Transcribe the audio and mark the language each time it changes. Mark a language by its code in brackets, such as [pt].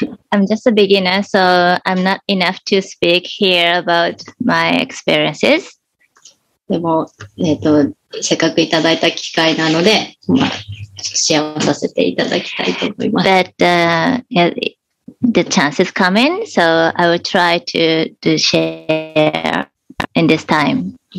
[en] I'm just a beginner, so I'm not enough to speak here about my experiences. [ja] でも、せっかくいただいた機会なので、シェアさせていただきたいと思います。 [en] But the chance is coming, so I will try to do share in this time.